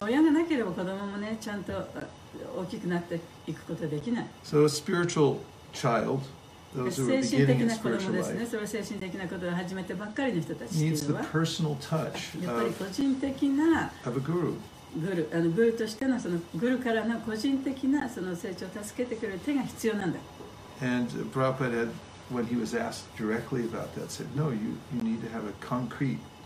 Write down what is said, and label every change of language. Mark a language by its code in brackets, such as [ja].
[ja] 親がなければ子供もね、ちゃんと大きくなっていくことはできない。 [en] So a spiritual child. Those who are beginning in spiritual life needs the personal touch of a guru. [ja] Guru としてのそのグルからの個人的なその成長を助けてくれる手が必要なんだ。 [en] And Prabhupada, had, when he was asked directly about that, said, "No, you need to have a concrete.